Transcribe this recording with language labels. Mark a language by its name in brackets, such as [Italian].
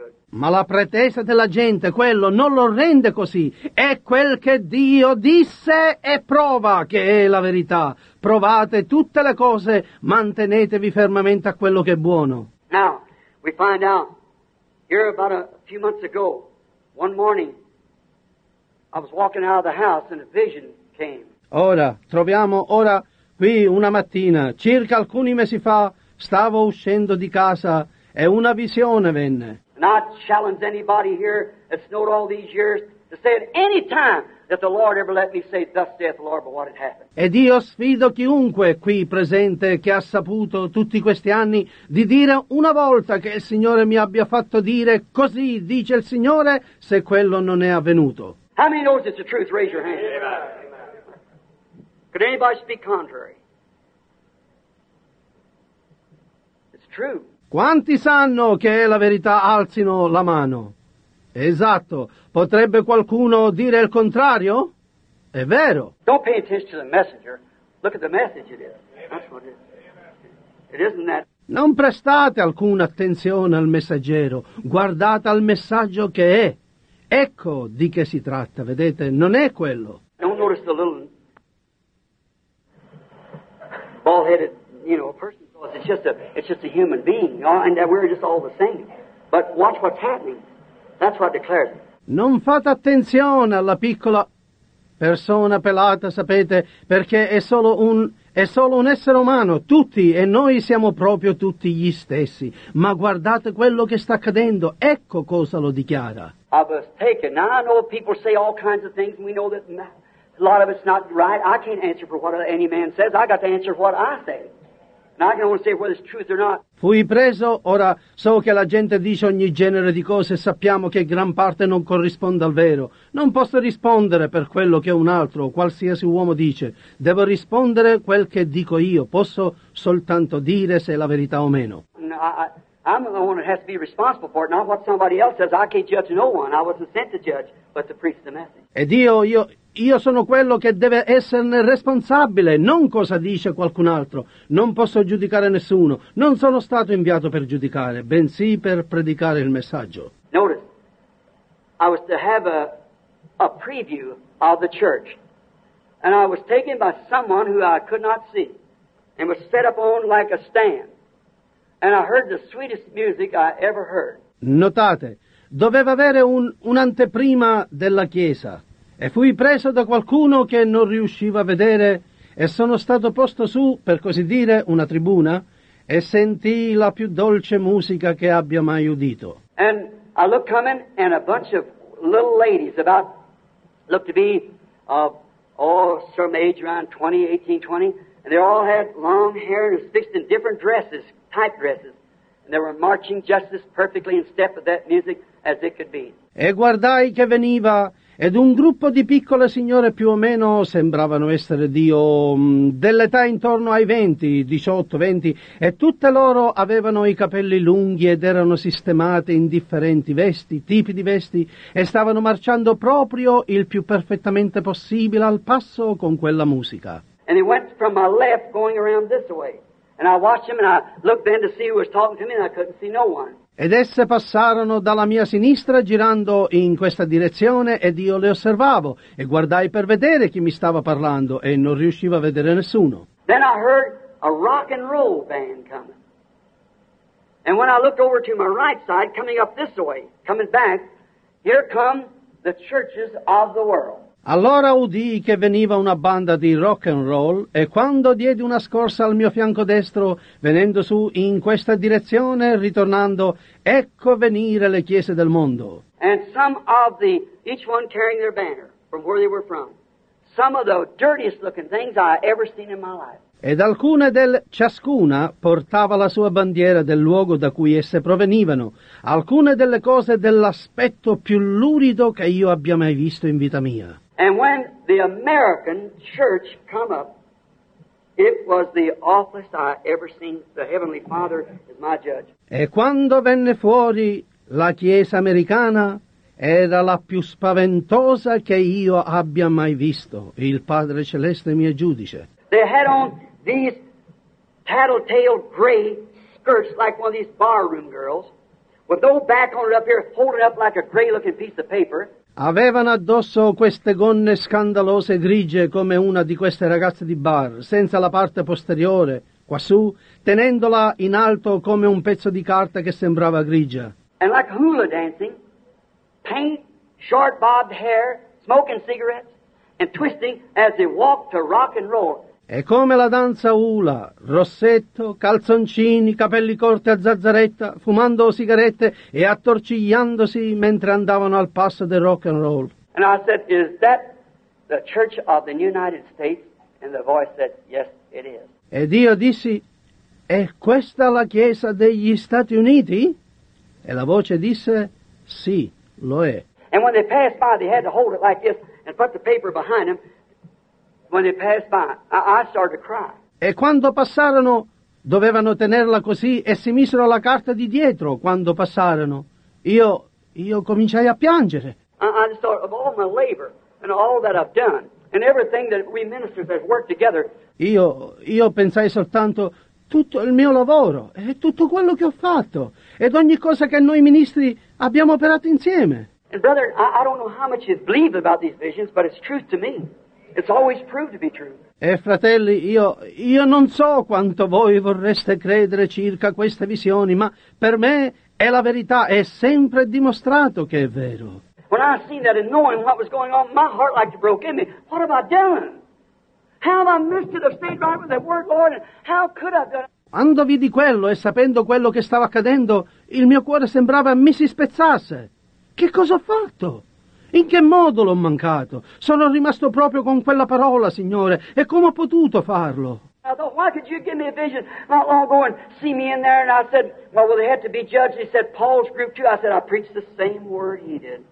[Italian] Ma la pretesa della gente, quello non lo rende così. È quel che Dio disse e prova che è la verità. Provate tutte le cose, mantenetevi fermamente a quello che è buono. [English] Now, we find out, here about a few months ago, one morning, I was walking out of the house and a vision came. [Italian] Ora, troviamo ora qui una mattina, circa alcuni mesi fa, stavo uscendo di casa e una visione venne. [English] Not challenge anybody here that's known all these years to say at any time that the Lord ever let me say thus saith the Lord, but what had happened. [Italian] Ed io sfido chiunque qui presente che ha saputo tutti questi anni di dire una volta che il Signore mi abbia fatto dire così dice il Signore se quello non è avvenuto. [English] How many knows it's the truth? Raise your hand. Amen. Could anybody speak contrary? It's true. [Italian] Quanti sanno che è la verità? Alzino la mano. Esatto. Potrebbe qualcuno dire il contrario? È vero. [English] Don't pay attention to the messenger. Look at the message it is. That's what it is. It isn't that. [Italian] Non prestate alcuna attenzione al messaggero. Guardate al messaggio che è. Ecco di che si tratta, vedete? Non è quello. [English] Don't notice the little bald-headed, you know, person. It's just a human being, and that we're just all the same. But watch what's happening. That's what declares it. [Italian] Non fate attenzione alla piccola persona pelata, sapete, perché è solo un essere umano. Tutti e noi siamo proprio tutti gli stessi. Ma guardate quello che sta accadendo. Ecco cosa lo dichiara. [English] I was taken. Now I know people say all kinds of things, and we know that a lot of it's not right. I can't answer for what any man says. I got to answer for what I say. Now I can only say whether it's truth or not. [Italian] Fui preso, ora so che la gente dice ogni genere di cose e sappiamo che gran parte non corrisponde al vero. Non posso rispondere per quello che un altro o qualsiasi uomo dice. Devo rispondere quel che dico io. Posso soltanto dire se è la verità o meno. [English] I'm the one that has to be responsible for it, not what somebody else says. I can't judge no one. I wasn't sent to judge, but to preach the message. [Italian] Ed io sono quello che deve esserne responsabile, non cosa dice qualcun altro. Non posso giudicare nessuno. Non sono stato inviato per giudicare, bensì per predicare il messaggio. [English] Notice, I was to have a preview of the church. And I was taken by someone who I could not see. And was set up on like a stand. And I heard the sweetest music I ever heard. [Italian] Notate, doveva avere un'anteprima della Chiesa. E fui preso da qualcuno che non riusciva a vedere e sono stato posto su, per così dire, una tribuna e sentii la più dolce musica che abbia mai udito. [English] And I look coming and a bunch of little ladies about look to be of some age around 20, 18, 20, and they all had long hair and fixed in different dresses, type dresses, and they were marching just as perfectly in step with that music as it could be. [Italian] E guardai che veniva ed un gruppo di piccole signore più o meno sembravano essere Dio dell'età intorno ai 20, 18, 20, e tutte loro avevano i capelli lunghi ed erano sistemate in differenti vesti, tipi di vesti, e stavano marciando proprio il più perfettamente possibile al passo con quella musica. [English] And he went from my left going around this way. And I watched him and I looked then to see who was talking to me and I couldn't see no one. [Italian] Ed esse passarono dalla mia sinistra girando in questa direzione ed io le osservavo e guardai per vedere chi mi stava parlando e non riuscivo a vedere nessuno. [English] Then I heard a rock and roll band coming. And when I looked over to my right side, coming up this way, coming back, here come the churches of the world. [Italian] Allora udii che veniva una banda di rock and roll e quando diedi una scorsa al mio fianco destro, venendo su in questa direzione, ritornando, ecco venire le chiese del mondo. [English] And some of the, each one carrying their banner from where they were from. Some of the dirtiest looking things I ever seen in my life. [Italian] Ed alcune del ciascuna portava la sua bandiera del luogo da cui esse provenivano, alcune delle cose dell'aspetto più lurido che io abbia mai visto in vita mia. [English] And when the American church come up, it was the awfulest I ever seen. The Heavenly Father is my judge. [Italian] E quando venne fuori la chiesa americana, era la più spaventosa che io abbia mai visto. Il Padre Celeste mio giudice. [English] They had on these tattletale gray skirts like one of these barroom girls, with no back on it up here, holding up like a gray-looking piece of paper. [Italian] Avevano addosso queste gonne scandalose grigie come una di queste ragazze di bar, senza la parte posteriore, quassù, tenendola in alto come un pezzo di carta che sembrava grigia. [English] And like hula dancing, paint, short bobbed hair, smoking cigarettes, and twisting as they walked to rock and roll. [Italian] E come la danza hula, rossetto, calzoncini, capelli corti a zazzaretta, fumando sigarette e attorcigliandosi mentre andavano al passo del rock and roll. [English] And I said, is that the church of the United States? And the voice said, yes, it is. [Italian] Ed io dissi, è questa la chiesa degli Stati Uniti? E la voce disse, sì, lo è. [English] And when they passed by, they had to hold it like this and put the paper behind them. When they passed by, I started to cry. [Italian] E quando passarono, dovevano tenerla così e si misero la carta di dietro quando passarono. Io cominciai a piangere. [English] I just thought of all my labor and all that I've done and everything that we ministers have worked together. [Italian] Io pensai soltanto tutto il mio lavoro e tutto quello che ho fatto ed ogni cosa che noi ministri abbiamo operato insieme. [English] And brother, I don't know how much you believe about these visions, but it's truth to me. It's always proved to be true. [Italian] E fratelli, io non so quanto voi vorreste credere circa queste visioni, ma per me è la verità, è sempre dimostrato che è vero. [English] When I seen that and knowing what was going on, my heart like broke in me. What have I done? How have I missed it? I've stayed right with that word, Lord, and how could I have done it? [Italian] Quando vidi quello e sapendo quello che stava accadendo, il mio cuore sembrava mi si spezzasse. Che cosa ho fatto? In che modo l'ho mancato? Sono rimasto proprio con quella parola, Signore. E come ho potuto farlo? [English] Why could you give me a vision not long ago and see me in there? And I said, well, they had to be judged. He said, Paul's group too. I said, I preached the same word he did.